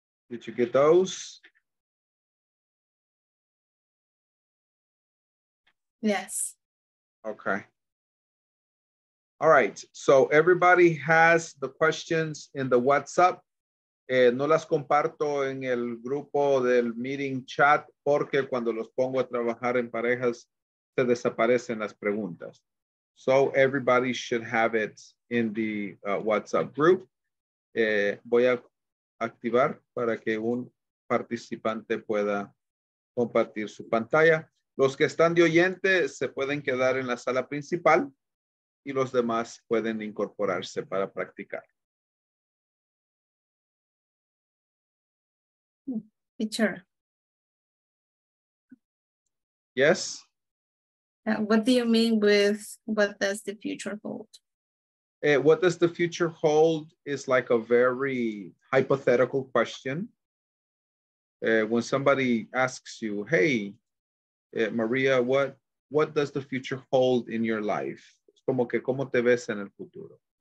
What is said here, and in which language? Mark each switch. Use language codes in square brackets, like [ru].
[en] Did you get those? Yes. Okay. All right, so everybody has the questions in the WhatsApp. [es] No las comparto en el grupo del meeting chat porque cuando los pongo a trabajar en parejas, se desaparecen las preguntas. [en] So everybody should have it in the WhatsApp group. [es] Voy a activar para que un participante pueda compartir su pantalla. Los que están de oyente se pueden quedar en la sala principal. Y los demás pueden incorporarse para practicar. [en] Teacher. Yes. What do you mean with what does the future hold? What does the future hold is like a very hypothetical question. When somebody asks you, hey, Maria, what does the future hold in your life? [es] Como que cómo te ves en el futuro.